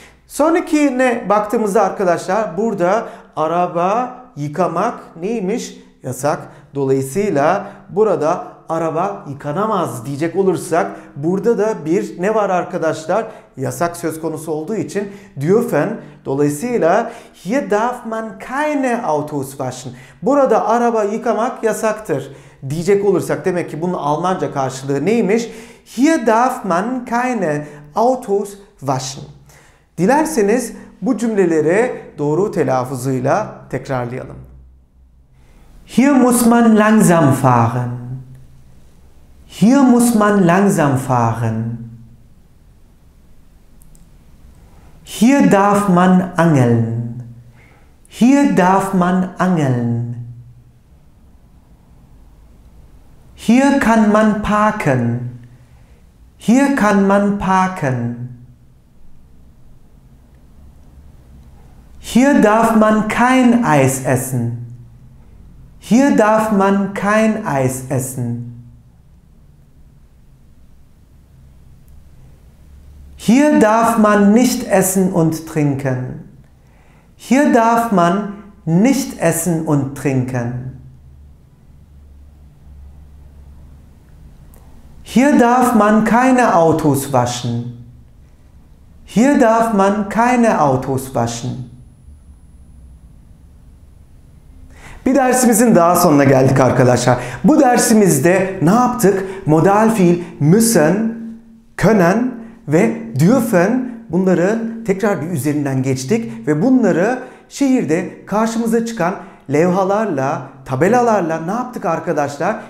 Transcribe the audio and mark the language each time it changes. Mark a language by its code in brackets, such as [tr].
[tr] Sonrakine baktığımızda arkadaşlar burada araba yıkamak neymiş? Yasak. Dolayısıyla burada araba yıkanamaz diyecek olursak burada da bir ne var arkadaşlar? Yasak söz konusu olduğu için dürfen. Dolayısıyla [de] hier darf man keine Autos waschen. [tr] Burada araba yıkamak yasaktır diyecek olursak demek ki bunun Almanca karşılığı neymiş? [de] Hier darf man keine Autos waschen. [tr] Dilerseniz bu cümleleri doğru telaffuzuyla tekrarlayalım. [de] Hier muss man langsam fahren. Hier muss man langsam fahren. Hier darf man angeln. Hier darf man angeln. Hier kann man parken. Hier kann man parken. Hier darf man kein Eis essen. Hier darf man kein Eis essen. Hier darf man nicht essen und trinken. Hier darf man nicht essen und trinken. Hier darf man keine Autos waschen. Hier darf man keine Autos waschen. [tr] Bir dersimizin daha sonuna geldik arkadaşlar. Bu dersimizde ne yaptık? Modal fiil müssen, können ve dürfen, bunları tekrar bir üzerinden geçtik. Ve bunları şehirde karşımıza çıkan levhalarla, tabelalarla ne yaptık arkadaşlar?